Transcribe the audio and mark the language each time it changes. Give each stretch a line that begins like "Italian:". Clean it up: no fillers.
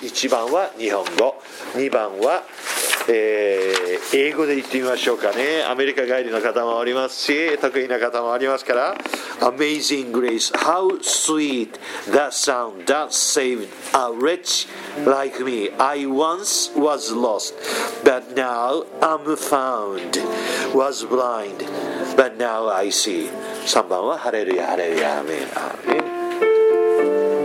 Japanese: 1番は日本語、2番は、英語で言ってみましょうかね。アメリカ帰りの方もおりますし、得意な方もありますから、アメイジングレイス、
English: How sweet the sound that saved a wretch like me. I once was lost, but now I'm found. Was blind, but now I see.
Japanese: 3番はハレルヤハレルヤ、アメン、アメン。